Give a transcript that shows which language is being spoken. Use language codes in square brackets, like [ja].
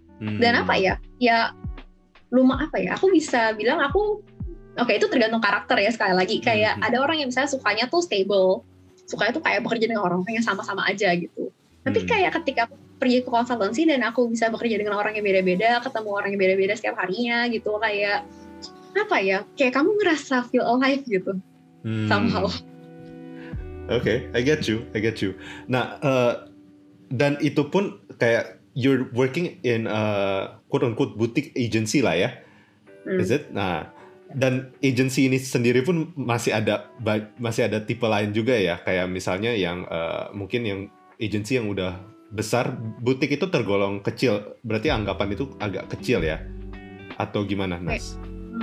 [id] Dan apa ya, ya lumayan apa ya, aku bisa bilang aku, okay, itu tergantung karakter ya sekali lagi, kayak ada orang yang misalnya sukanya tuh stable, sukanya tuh kayak bekerja dengan orang yang sama-sama aja gitu. Tapi kayak ketika aku pergi ke konsultansi dan aku bisa bekerja dengan orang yang beda-beda, ketemu orang yang beda-beda setiap harinya gitu, kayak apa ya, kayak kamu ngerasa [en] feel alive [id] gitu. [en] Somehow. Oke, okay, I get you. [id] Nah, dan itu pun kayak [en] you're working in a quote-unquote boutique agency [id] lah ya, [en] is it? [id] Nah, dan agency ini sendiri pun masih ada tipe lain juga ya, kayak misalnya yang mungkin yang agency yang udah besar, boutique itu tergolong kecil, berarti anggapan itu agak kecil ya, atau gimana, Nas? Okay.